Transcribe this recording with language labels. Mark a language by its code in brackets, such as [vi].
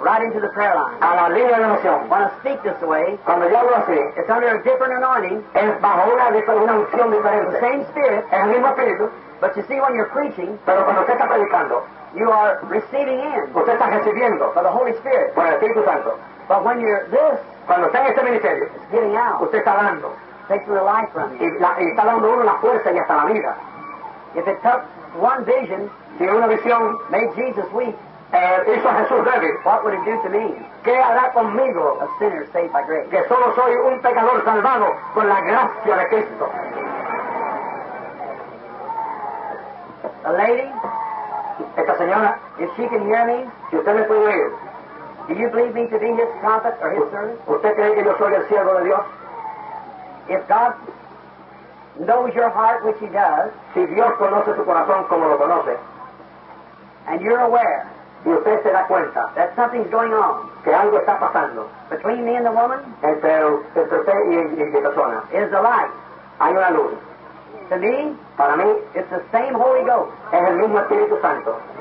[en] Right into the prayer line. [es] A la línea de oración. [en] When I speak this way, [es] cuando yo hablo así, [en] it's under a different anointing. [es] Es bajo una unción diferente. [en] The same spirit. [es] Es el mismo espíritu. [en] But you see, when you're preaching, [es] pero cuando usted está predicando, [en] you are receiving in. [es] Usted está recibiendo. [en] For the Holy Spirit. [es] Por el Espíritu Santo. [en] But when you're this, [es] cuando está en este ministerio, [en] it's getting out. [es] Usted está dando. [en] Takes the life from him. [es] Y está dando uno la fuerza y hasta la vida. [en] If it took one vision, [es] si una visión [en] made Jesus weak, [es] hizo a Jesús débil, [en] what would it do to me? [es] ¿Qué hará conmigo? [en] A sinner saved by grace. [es] Que solo soy un pecador salvado por la gracia de Cristo. [en] A lady, [es] esta señora, [en] if she can hear me, [es] si usted me puede oír, [en] do you believe me to be his prophet or his servant? [es] ¿Usted cree que yo soy el siervo de Dios? [en] If God knows your heart, which He does, [es] si Dios conoce tu corazón como lo conoce, [en] and you're aware, [es] y usted se da cuenta, [en] that something's going on, [es] que algo está pasando, [en] between me and the woman, [es] entre usted y mi persona, [en] is the light, [es] hay una luz. [en] To me, [es] para mí, [en] it's the same Holy Ghost, [es] es el mismo Espíritu Santo,